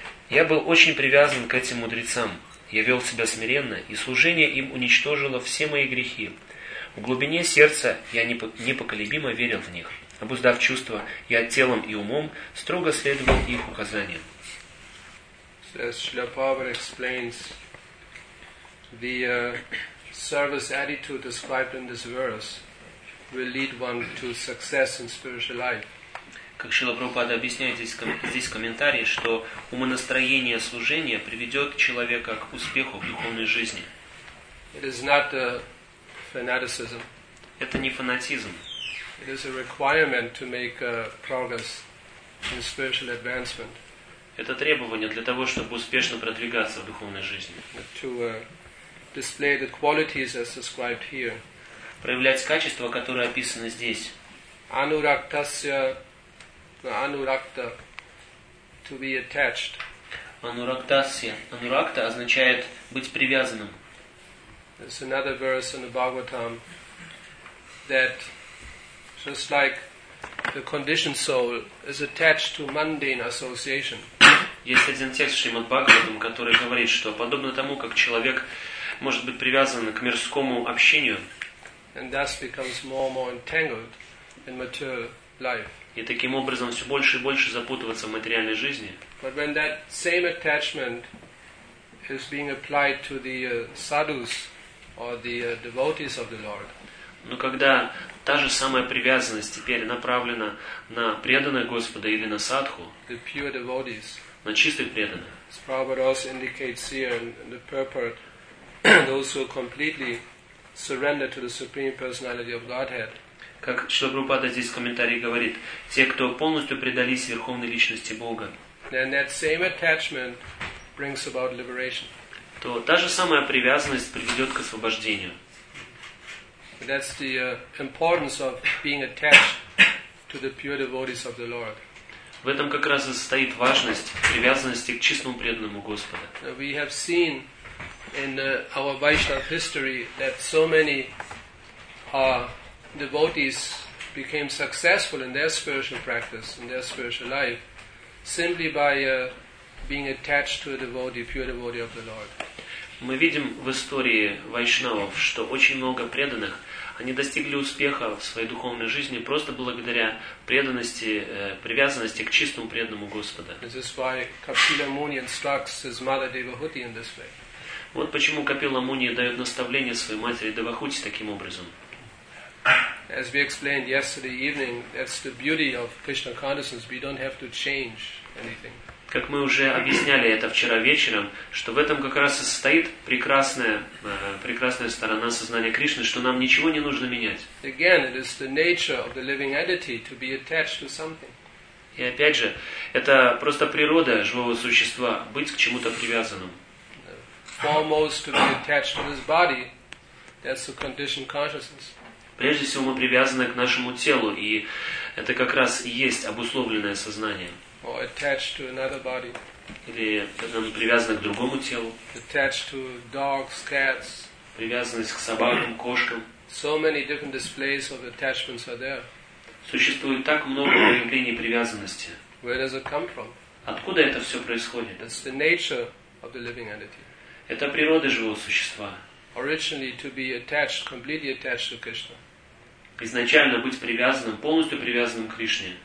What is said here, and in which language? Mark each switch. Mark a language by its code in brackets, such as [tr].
[ru] Я был очень привязан к этим мудрецам. Я вел себя смиренно, и служение им уничтожило все мои грехи. В глубине сердца я непоколебимо верил в них. Обуздав чувства, я телом и умом строго следовал их указаниям. [en] As Srila Prabhupada explains, the service attitude described in this verse will lead one to success in spiritual life. [ru] Как Шрила Прабхупада объясняет здесь в комментарии, что умонастроение служения приведет человека к успеху в духовной жизни. [en] It is not a fanaticism. [ru] Это не фанатизм. [en] It is a requirement to make progress in spiritual advancement. [ru] Это требование для того, чтобы успешно продвигаться в духовной жизни. [en] To display the qualities as described here. [ru] Проявлять качества, которые описаны здесь. [en] Anuraktasya, anurakta, to be attached. [ru] Anuraktasya, anurakta означает быть привязанным. [en] There's another verse in the Bhagavatam that just like the conditioned soul is attached to mundane association. [ru] Есть один текст Шримад Бхагаватам, который говорит, что подобно тому, как человек может быть привязан к мирскому общению, [en] and thus becomes more and more entangled in material life. [ru] И таким образом все больше и больше запутываться в материальной жизни. [en] But when that same attachment is being applied to the sadhus or the devotees of the Lord. [ru] Но когда та же самая привязанность теперь направлена на преданных Господа или на садху, [en] the pure devotees, [ru] на чистых преданных, [en] as Prabhupada also indicates here in the purport, those who completely surrender to the Supreme Personality of Godhead, [ru] как Шрила Прабхупада здесь в комментарии говорит, те, кто полностью предались Верховной Личности Бога, [en] then that same attachment brings about liberation. [ru] То та же самая привязанность приведет к освобождению. [en] That's the importance of being attached to the pure devotees of the Lord. [ru] В этом как раз и состоит важность привязанности к чистому преданному Господа. [en] We have seen in our Vaishnava history that so many devotees became successful in their spiritual practice, in their spiritual life, simply by being attached to a devotee, pure devotee of the Lord. [ru] Мы видим в истории вайшнавов, что очень много преданных, они достигли успеха в своей духовной жизни просто благодаря преданности, привязанности к чистому преданному Господа. [en] This is why Kapila Muni instructs his mother Devahuti in this way. [ru] Вот почему Капила Муни дает наставление своей матери Девахути таким образом. [en] As we explained yesterday evening, that's the beauty of Krishna consciousness. We don't have to change anything. [ru] Как мы уже объясняли это вчера вечером, что в этом как раз и состоит прекрасная, прекрасная сторона сознания Кришны, что нам ничего не нужно менять. [en] Again, it is the nature of the living entity to be attached to something. [ru] И опять же, это просто природа живого существа быть к чему-то привязанным. [en] Foremost to be attached to this body, that's the conditioned consciousness. [ru] Прежде всего мы привязаны к нашему телу, и это как раз и есть обусловленное сознание. [en] Or attached to another body. [ru] Или мы привязаны к другому телу. [en] Attached to dogs, cats. [ru] Привязанность к собакам, кошкам. [en] So many different displays of attachments are there. [ru] Существует так много проявлений привязанности. [en] Where does it come from? [ru] Откуда это все происходит? [en] That's the nature of the living entity. [ru] Это природа живого существа. [en] Originally to be attached, completely attached to Krishna. [ru] Изначально быть привязанным, полностью привязанным к Кришне.